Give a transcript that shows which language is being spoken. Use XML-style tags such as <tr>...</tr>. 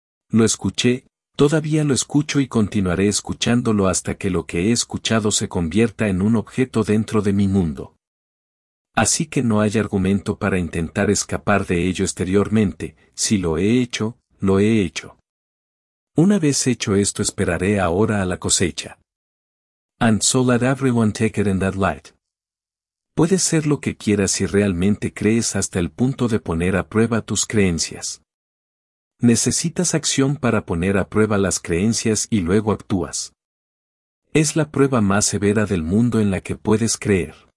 <es>Lo escuché, todavía lo escucho y continuaré escuchándolo hasta que lo que he escuchado se convierta en un objeto dentro de mi mundo. Así que no hay argumento para intentar escapar de ello exteriormente, si lo he hecho, lo he hecho. Una vez hecho esto esperaré ahora a la cosecha.</es> <en>And so let everyone take it in that light.</en> <es>Puedes ser lo que quieras si realmente crees hasta el punto de poner a prueba tus creencias. Necesitas acción para poner a prueba las creencias y luego actúas. Es la prueba más severa del mundo en la que puedes creer.</es>